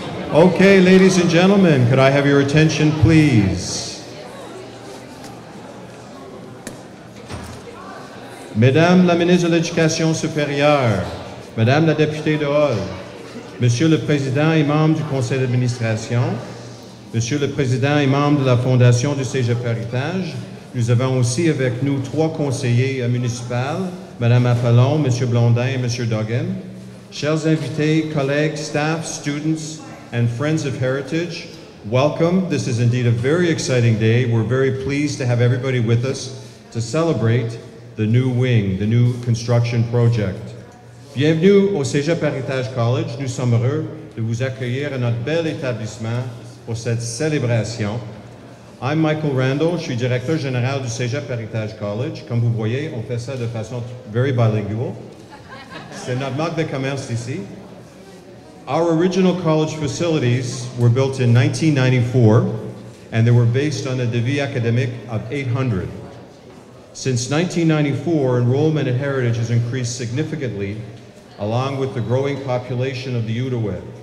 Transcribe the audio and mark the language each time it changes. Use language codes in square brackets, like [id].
[en] Okay, ladies and gentlemen, could I have your attention, please? [fr] Mesdames la ministre de l'Éducation supérieure, Madame la députée de Hall, Monsieur le Président et membre du Conseil d'administration, Monsieur le Président et membre de la Fondation du Cégep Heritage, nous avons aussi avec nous trois conseillers municipaux, Madame Appalon, Monsieur Blondin et Monsieur Duggan. Chers invités, collègues, [en] staff, students, and friends of Heritage, welcome. This is indeed a very exciting day. We're very pleased to have everybody with us to celebrate the new wing, the new construction project. [fr] Bienvenue au Cégep Heritage College. Nous sommes heureux de vous accueillir à notre bel établissement pour cette célébration. [en] I'm [fr] Michael Randall, je suis directeur général du Cégep Heritage College. Comme vous voyez, on fait ça de façon [en] very bilingual. [fr] C'est notre marque de commerce ici. [en] Our original college facilities were built in 1994, and they were based on a [fr] devis académique [en] of 800. Since 1994, enrollment at Heritage has increased significantly, along with the growing population of the Outaouais.